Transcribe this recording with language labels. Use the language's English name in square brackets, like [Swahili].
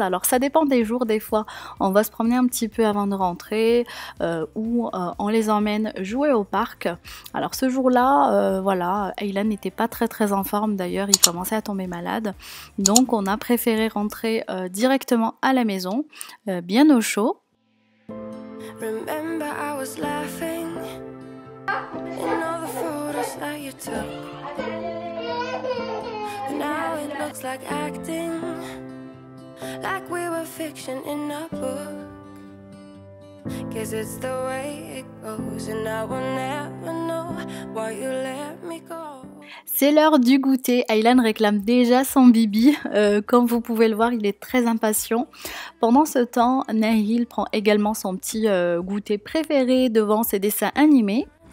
[French] Alors ça dépend des jours, des fois on va se promener un petit peu avant de rentrer ou on les emmène jouer au parc. Alors ce jour-là, voilà, Aylan n'était pas très très en forme d'ailleurs, il commençait à tomber malade. Donc on a préféré rentrer directement à la maison, bien au chaud. [English] Remember I was laughing in all the photos that you took. Now it looks like acting, like we were fiction in a book. Cause it's the way it goes, and I will never know why you let me go. [French] C'est l'heure du goûter. Aylan réclame déjà son bibi. Comme vous pouvez le voir, il est très impatient. Pendant ce temps, Nahil prend également son petit goûter préféré devant ses dessins animés.